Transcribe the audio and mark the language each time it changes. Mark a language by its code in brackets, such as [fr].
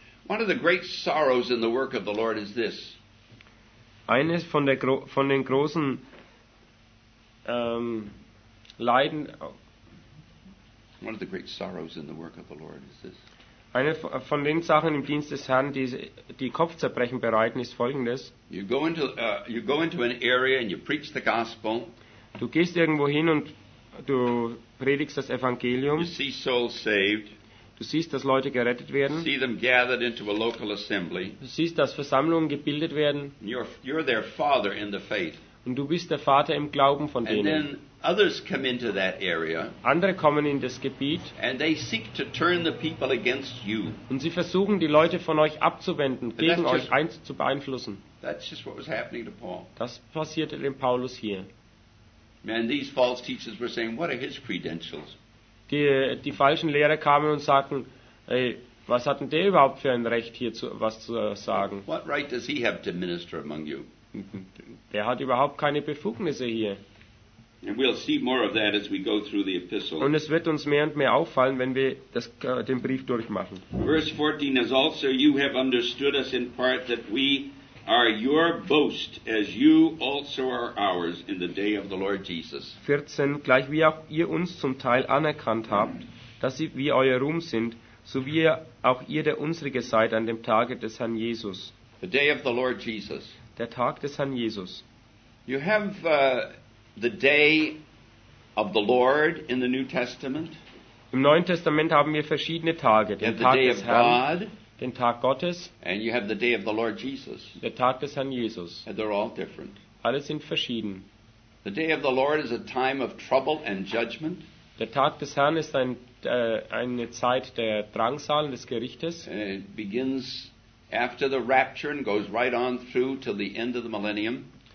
[en] One of the great sorrows in the work of the Lord is this. [de] Eines von den großen Leiden. [en] One of the great sorrows in the work of the Lord is this. [de] Eine von den Sachen im Dienst des Herrn, die Kopfzerbrechen bereiten, ist folgendes. [en] You go into an area and you preach the gospel. [de] Du gehst irgendwo hin und du predigst das Evangelium. [en] You see souls saved. [de] Du siehst, dass Leute gerettet werden. [en] See them gathered into a local assembly. [de] Du siehst, dass Versammlungen gebildet werden. [en] You're their father in the faith. [de] Und du bist der Vater im Glauben von denen. [en] And then others come into that area. [de] Andere kommen in das Gebiet. [en] And they seek to turn the people against you. [de] Und sie versuchen, die Leute von euch abzuwenden, gegen euch zu beeinflussen. [en] That's just what was happening to Paul. [de] Das passierte dem Paulus hier. [en] Man, these false teachers were saying, what are his credentials? [de] Die falschen Lehrer kamen und sagten, ey, was hat denn der überhaupt für ein Recht, hier was zu sagen? [en] What right does he have to minister among you? [de] Der hat überhaupt keine Befugnisse hier. [en] And we'll see more of that as we go through the epistle. [de] Und es wird uns mehr und mehr auffallen, wenn wir den Brief durchmachen. [en] Verse 14, as also you have understood us in part that we are your boast, as you also are ours in the day of the Lord Jesus. [de] 14, gleich wie auch ihr uns zum Teil anerkannt habt, dass wir euer Ruhm sind, so wie auch ihr der unsrige seid an dem Tage des Herrn Jesus. [en] The day of the Lord Jesus. [de] Der Tag des Herrn Jesus. [en] You have the day of the Lord in the New Testament. [de] Im Neuen Testament haben wir verschiedene Tage. Den Tag des Herrn. [en] God. [de] Den Tag Gottes. [en] And you have the day of the Lord Jesus. [de] Der Tag des Herrn Jesus. [en] And they're all different. [de] Alle sind verschieden. [en] The day of the Lord is a time of trouble and judgment. [de] Der Tag des Herrn ist eine Zeit der Drangsal, des Gerichtes. [en] It begins after the rapture and goes right on through till the end of the millennium.